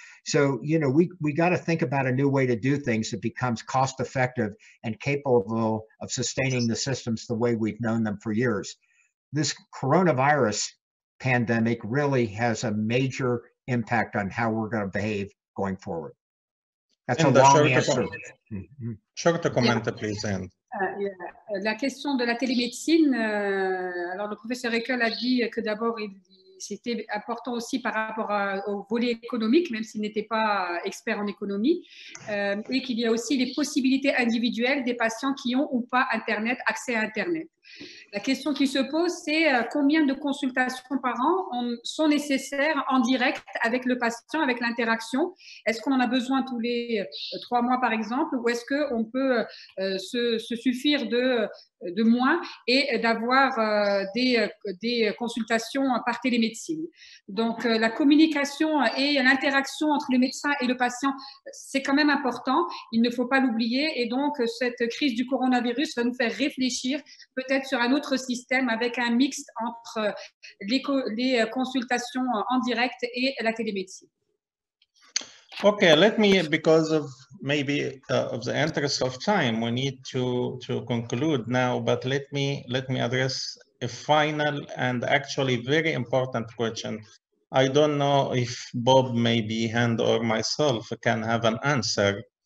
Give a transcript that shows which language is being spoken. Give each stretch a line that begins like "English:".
English: So, you know, we got to think about a new way to do things that becomes cost effective and capable of sustaining the systems the way we've known them for years. This coronavirus pandemic really has a major impact on how we're going to behave going forward. That's and a long answer. Short comment, yeah. Please, Anne.
French: La question de la télémédecine, alors le professeur Eckel a dit que d'abord c'était important aussi par rapport au volet économique, même s'il n'était pas expert en économie, et qu'il y a aussi les possibilités individuelles des patients qui ont ou pas Internet, accès à Internet. La question qui se pose, c'est combien de consultations par an sont nécessaires en direct avec le patient, avec l'interaction? Est-ce qu'on en a besoin tous les trois mois, par exemple, ou est-ce qu'on peut se suffire de moins et d'avoir des consultations par télémédecine. Donc la communication et l'interaction entre le médecin et le patient, c'est quand même important, il ne faut pas l'oublier, et donc cette crise du coronavirus va nous faire réfléchir peut-être sur un autre système avec un mix entre les consultations en direct et la télémédecine.
English: Okay, let me, because of maybe of the interest of time, we need to conclude now, but let me address a final and actually very important question. I don't know if Bob, maybe Hand or myself, can have an answer.